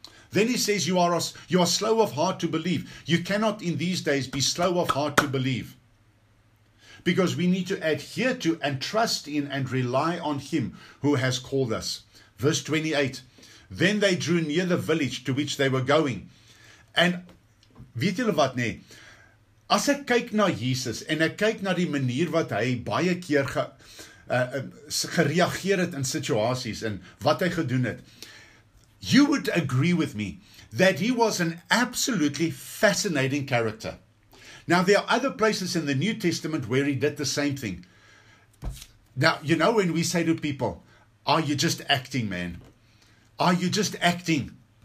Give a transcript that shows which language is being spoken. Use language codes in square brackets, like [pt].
[en] Then He says, you are slow of heart to believe. You cannot in these days be slow of heart to believe, because we need to adhere to and trust in and rely on Him who has called us. Verse 28. Then they drew near the village to which they were going. [af] And weet julle wat nee? As ek kyk na Jesus en ek kyk na die manier wat hy baie keer gereageer het in situasies en wat hy gedoen het. [en] You would agree with me that he was an absolutely fascinating character. Now there are other places in the New Testament where he did the same thing. Now, you know when we say to people, are you just acting, man? Are you just acting?